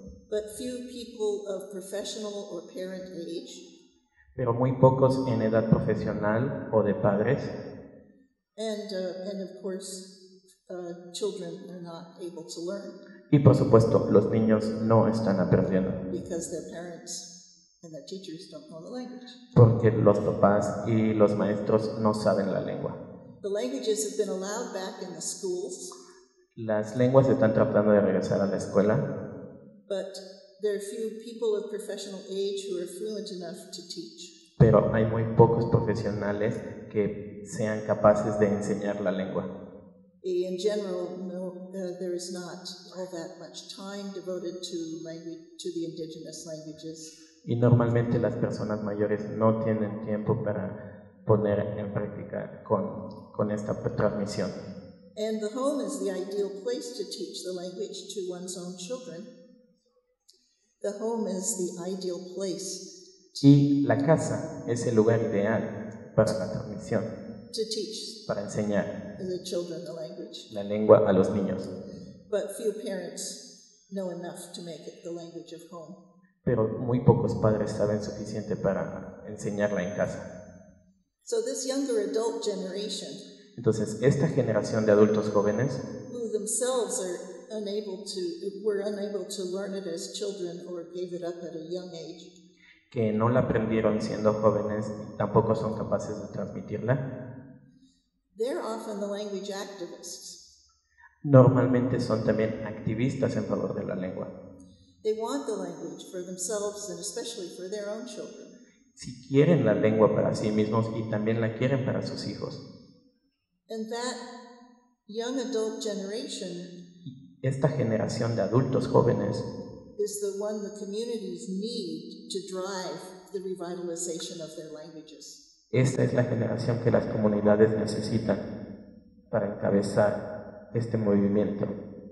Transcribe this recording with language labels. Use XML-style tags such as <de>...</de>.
<en>But few people of professional or parent age.</en> <es>Pero muy pocos en edad profesional o de padres.</es> <en>And of course, children are not able to learn.</en> <es>Y por supuesto, los niños no están aprendiendo.</es> <en>Because their parents and their teachers don't know the language.</en> <es>Porque los papás y los maestros no saben la lengua.</es> <en>The languages have been allowed back in the schools.</en> <es>Las lenguas están tratando de regresar a la escuela.</es> <en>But there are few people of professional age who are fluent enough to teach.</en> <es>Pero hay muy pocos profesionales que sean capaces de enseñar la lengua.</es> <en>In general, no, there is not all that much time devoted to language, to the indigenous languages.</en> <es>Y normalmente las personas mayores no tienen tiempo para poner en práctica con esta transmisión.</es> <en>And the home is the ideal place to teach the language to one's own children. The home is the ideal place.</en> <es>Y la casa es el lugar ideal para la transmisión.</es> <en>To teach.</en> <es>Para enseñar.</es> <en>The children the language.</en> <es>La lengua a los niños.</es> <en>But few parents know enough to make it the language of home.</en> <es>Pero muy pocos padres saben suficiente para enseñarla en casa.</es> <en>So this younger adult generation,</en> <es>entonces esta generación de adultos jóvenes,</es> <en>who themselves are unable to, were unable to learn it as children or gave it up at a young age,</en> <es>que no la aprendieron siendo jóvenes, tampoco son capaces de transmitirla.</es> <en>They're often the language activists.</en> <es>Normalmente son también activistas en favor de la lengua.</es> <en>They want the language for themselves and especially for their own children.</en> <es>Si quieren la lengua para sí mismos y también la quieren para sus hijos.</es> <en>And that young adult generation,</en> <es>esta generación de adultos jóvenes,</es> <en>is the one the communities need to drive the revitalization of their languages.</en> <es>Esta es la generación que las comunidades necesitan para encabezar este movimiento.</es>